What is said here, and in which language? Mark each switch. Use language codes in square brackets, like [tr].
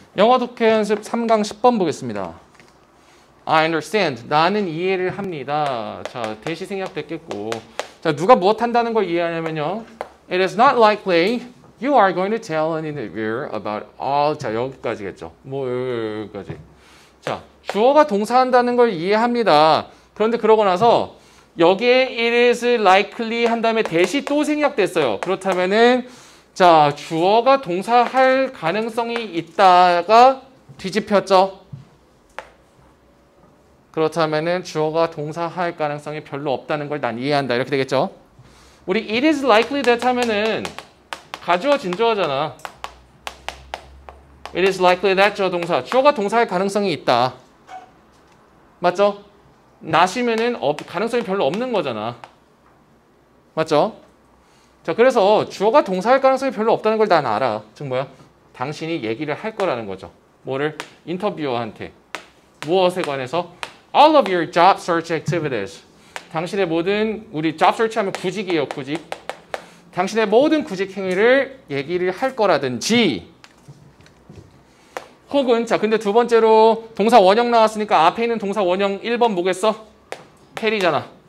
[ko] 영어 독해 연습 3강 10번 보겠습니다. [en] I understand. [ko] 나는 이해를 합니다. 자, 대시 생략됐겠고. 자, 누가 무엇 한다는 걸 이해하냐면요. [en] It is not likely you are going to tell an interviewer about all. [ko] 자, 여기까지겠죠. 뭐 여기까지. 자, 주어가 동사한다는 걸 이해합니다. 그런데 그러고 나서 여기에 it is likely 한 다음에 대시 또 생략됐어요. 그렇다면은 자, 주어가 동사할 가능성이 있다가 뒤집혔죠. 그렇다면은 주어가 동사할 가능성이 별로 없다는 걸 난 이해한다. 이렇게 되겠죠? 우리 [en] it is likely that [ko] 하면은 가주어 진주어잖아. [en] It is likely that 저 동사. [ko] 주어가 동사할 가능성이 있다. 맞죠? not이면은 가능성이 별로 없는 거잖아. 맞죠? 자, 그래서 주어가 동사할 가능성이 별로 없다는 걸 난 알아. 즉 뭐야? 당신이 얘기를 할 거라는 거죠. 뭐를? 인터뷰어한테. 무엇에 관해서? [en] All of your job search activities. [ko] 당신의 모든 우리 job search 하면 구직이에요, 구직. 당신의 모든 구직 행위를 얘기를 할 거라든지. 혹은 자, 근데 두 번째로 동사 원형 나왔으니까 앞에 있는 동사 원형 1번 보겠어? 해리잖아.